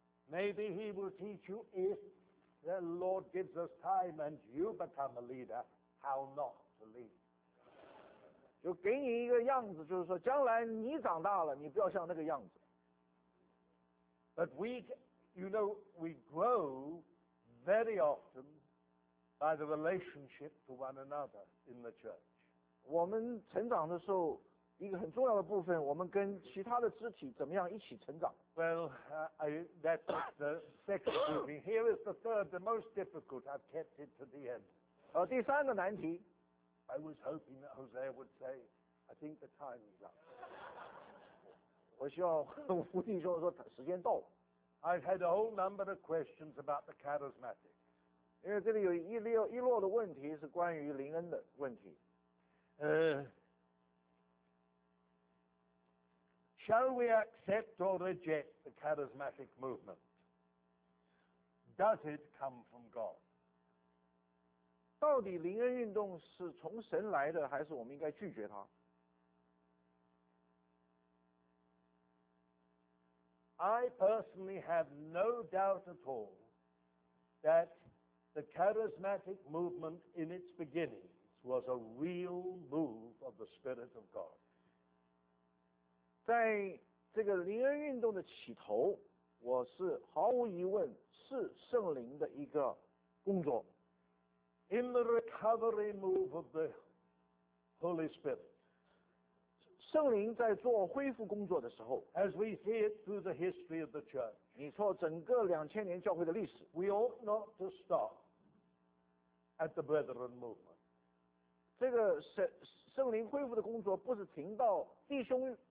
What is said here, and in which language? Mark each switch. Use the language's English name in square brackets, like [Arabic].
[English] Maybe he will teach you if The Lord gives us time and you become a leader. How not to lead? [Chinese] 就给你一个样子，就是说将来你长大了，你不要像那个样子。 [English] But we, you know, we grow very often by the relationship to one another in the church. [Chinese] 我们成长的时候，一个很重要的部分，我们跟其他的肢体怎么样一起成长。 [English] Well, that's the second grouping. Here is the third, the most difficult. I've kept it to the end. [Chinese] 第三个难题。 [English] I was hoping that Jose would say, I think the time is up. [Chinese] 我希望胡弟兄说时间到了。 [English] I've had a whole number of questions about the charismatic. [Chinese] 因为这里有一摞的问题是关于灵恩的问题。 [English] Shall we accept or reject the charismatic movement? Does it come from God? [Chinese] 到底灵恩运动是从神来的，还是我们应该拒绝它？ [English] I personally have no doubt at all that the charismatic movement in its beginnings was a real move of the Spirit of God. [Chinese] 在这个灵恩运动的起头，我是毫无疑问是圣灵的一个工作。 [English] In the recovery move of the Holy Spirit, [Chinese] 圣灵在做恢复工作的时候 [English] ，as we see it through the history of the church, [Chinese] 你说整个两千年教会的历史 [English] ，we ought not to stop at the brethren movement. [Chinese] 这个圣灵恢复的工作不是停到弟兄。